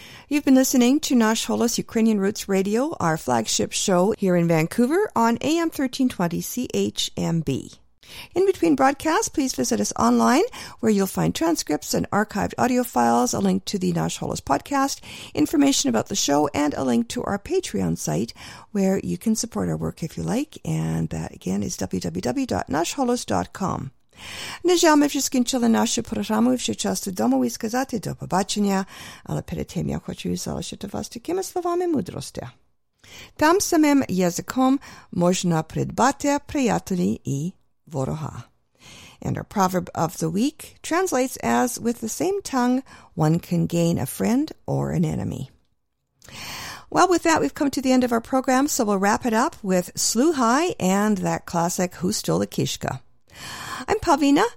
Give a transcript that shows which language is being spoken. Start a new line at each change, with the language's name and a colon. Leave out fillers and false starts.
English: You've been listening to Nash Holos Ukrainian Roots Radio, our flagship show here in Vancouver on AM 1320 CHMB. In between broadcasts, please visit us online where you'll find transcripts and archived audio files, a link to the Nash Holos podcast, information about the show, and a link to our Patreon site where you can support our work if you like. And that again is www.nashholos.com.
Ukrainian: На жаль, ми вже скінчили нашу програму і вже час додому і сказати до побачення, але перед тим я хочу залишити вас такими словами мудрості. Там самим язиком можна придбати приятелі і ворога.
English: And our proverb of the week translates as, with the same tongue, one can gain a friend or an enemy. Well, with that, we've come to the end of our program, so we'll wrap it up with Sluhai and that classic, Who Stole the Kishka? I'm Pavlina.